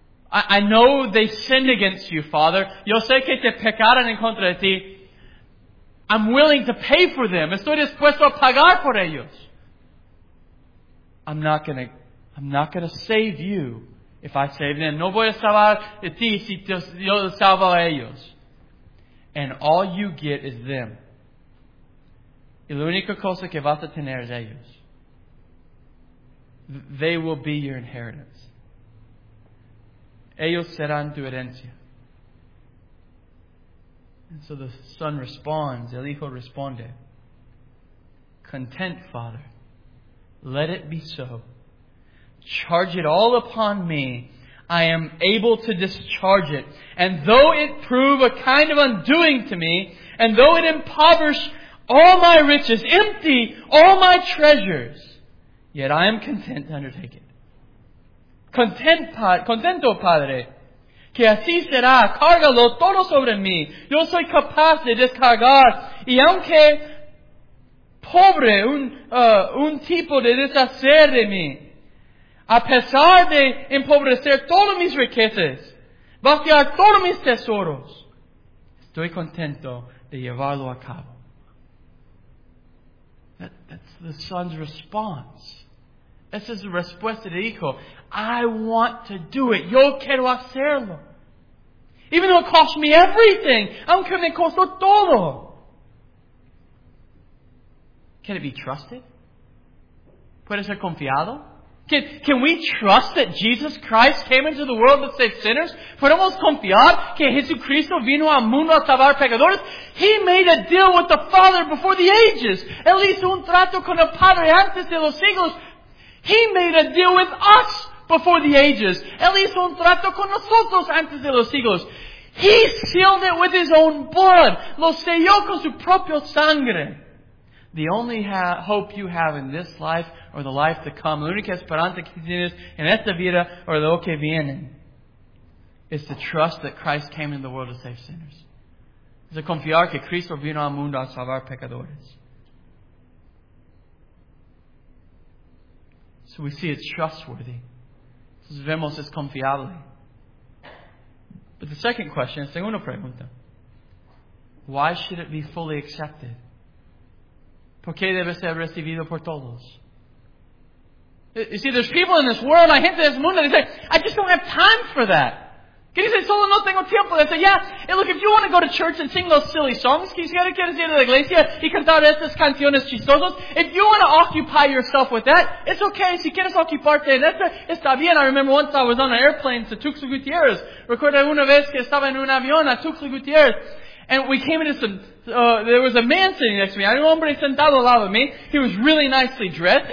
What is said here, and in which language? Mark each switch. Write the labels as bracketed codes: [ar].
[en] I know they sinned against you, Father. [es] Yo sé que te pecaron en contra de ti. [en] I'm willing to pay for them. [es] Estoy dispuesto a pagar por ellos. [en] I'm not gonna save you if I save them. [es] No voy a salvar a ti si yo salvo a ellos. [en] And all you get is them. [es] Y la única cosa que vas a tener es ellos. [en] They will be your inheritance. [es] Ellos serán tu herencia. [en] And so the son responds, [es] el hijo responde, [en] content, Father, let it be so. Charge it all upon me. I am able to discharge it. And though it prove a kind of undoing to me, and though it impoverish all my riches, empty all my treasures, yet I am content to undertake it. [es] Contento, Padre. Que así será, cárgalo todo sobre mí. Yo soy capaz de descargar. Y aunque pobre, un tipo de deshacer de mí, a pesar de empobrecer todas mis riquezas, vaciar todos mis tesoros, estoy contento de llevarlo a cabo. [en] That's the son's response. [es] Esa es la respuesta del hijo. [en] I want to do it. [es] Yo quiero hacerlo. [en] Even though it cost me everything, [es] aunque me costó todo, [en] can it be trusted? [es] ¿Puede ser confiado? [en] Can we trust that Jesus Christ came into the world to save sinners? [es] ¿Podemos confiar que Jesucristo vino al mundo a salvar pecadores? [en] He made a deal with the Father before the ages. [es] Él hizo un trato con el Padre antes de los siglos. [en] He made a deal with us before the ages. [es] Él hizo un trato con nosotros antes de los siglos. [en] He sealed it with his own blood. [es] Lo selló con su propio sangre. [en] The only hope you have in this life or the life to come, [es] la única esperanza que tienes en esta vida or lo que viene, [en] is to trust that Christ came into the world to save sinners. [es] Es a confiar que Cristo vino al mundo a salvar pecadores. [en] So we see it's trustworthy. [es] Vemos es confiable. [en] But the second question, [es] segunda pregunta, [en] why should it be fully accepted? [es] ¿Por qué debe ser recibido por todos? [en] You see, there's people in this world, [es] hay gente en este mundo, [en] they say, I just don't have time for that. [es] ¿Qué dice? Solo no tengo tiempo. [en] They say, yeah, hey, look, if you want to go to church and sing those silly songs, [es] ¿quieres ir a la iglesia y cantar estas canciones chistosas? [en] If you want to occupy yourself with that, it's okay. [es] Si quieres ocuparte en esto, está bien. [en] I remember once I was on an airplane to Tuxtla Gutierrez. [es] Recuerdo una vez que estaba en un avión a Tuxtla Gutierrez. [en] And we came into some, there was a man sitting next to me. [es] Hay un hombre sentado al lado de mí. [en] He was really nicely dressed.